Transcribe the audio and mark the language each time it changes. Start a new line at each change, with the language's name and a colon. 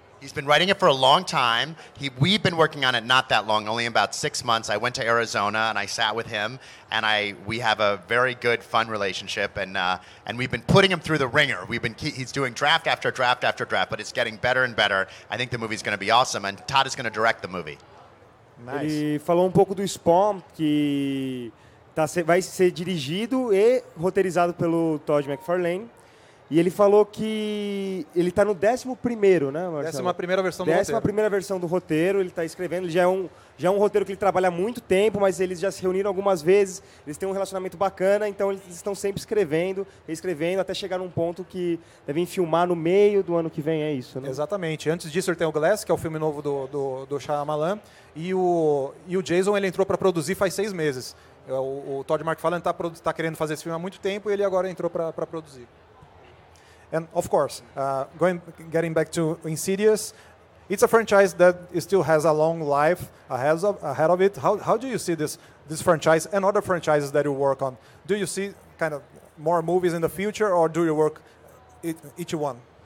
English: He's been writing it for a long time. We've been working on it not that long, only about 6 months. I went to Arizona and I sat with him, and we have a very good, fun relationship, and we've been putting him through the ringer. He's doing draft after draft after draft, but it's getting better and better. I think the movie's going to be awesome, and Todd is going to direct the movie. Nice.
Portuguese: Ele falou um pouco do Spawn, que vai ser dirigido e roteirizado pelo Todd McFarlane. E ele falou que ele está no 11º, né, Marcelo? 11ª versão do roteiro. 11ª versão do roteiro, ele está escrevendo. Já é um roteiro que ele trabalha há muito tempo, mas eles já se reuniram algumas vezes. Eles têm um relacionamento bacana, então eles estão sempre escrevendo, reescrevendo, até chegar num ponto que devem filmar no meio do ano que vem, é isso, né? Exatamente. Antes disso, ele tem o Glass, que é o filme novo do Shyamalan. E o Jason, ele entrou para produzir faz 6 meses. O Todd McFarlane está querendo fazer esse filme há muito tempo e ele agora entrou para produzir.
English: And of course, getting back to Insidious, it's a franchise that still has a long life ahead of it. How do you see this franchise and other franchises that you work on? Do you see kind of more movies in the future, or do you work each one?